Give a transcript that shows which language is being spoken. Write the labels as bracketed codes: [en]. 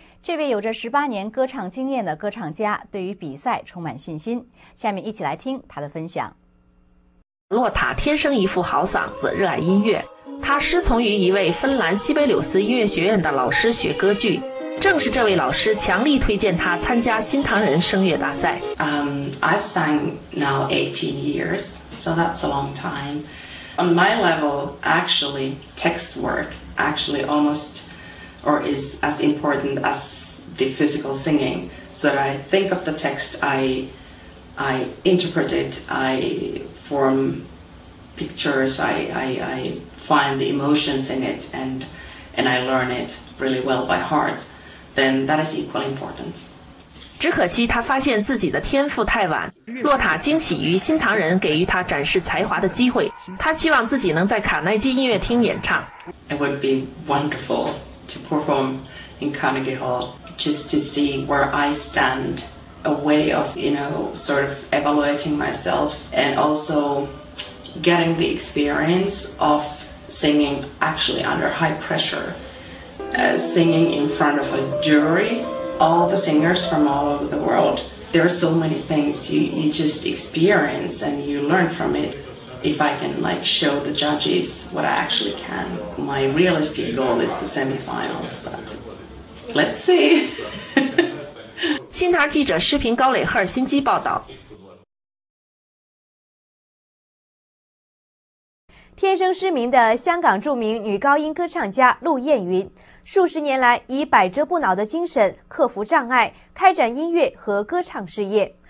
[zh] 这位有着18年歌唱经验的歌唱家对于比赛充满信心，下面一起来听他的分享。洛塔天生一副好嗓子，热爱音乐，他师从于一位芬兰西北柳斯音乐学院的老师学歌剧，正是这位老师强力推荐他参加新唐人声乐大赛。 [en] I've sang now 18 years, so that's a long time. On my level, actually, text work actually almost or is as important as the physical singing. So that I think of the text, I interpret it, I form pictures, I find the emotions in it and I learn it really well by heart, then that is equally important. [zh] 只可惜他发现自己的天赋太晚，洛塔惊喜于新唐人给予他展示才华的机会，他希望自己能在卡耐基音乐厅演唱。 [en] It would be wonderful to perform in Carnegie Hall just to see where I stand, a way of, you know, sort of evaluating myself and also getting the experience ofsinging actually under high pressure, singing in front of a jury, all the singers from all over the world. There are so many things you just experience and you learn from it. If I can like show the judges what I actually can, my realistic goal is the semifinals, but let's see. [zh] 新唐记者视频高磊赫尔辛基报道。天生失明的香港著名女高音歌唱家陆燕云，数十年来以百折不挠的精神克服障碍，开展音乐和歌唱事业。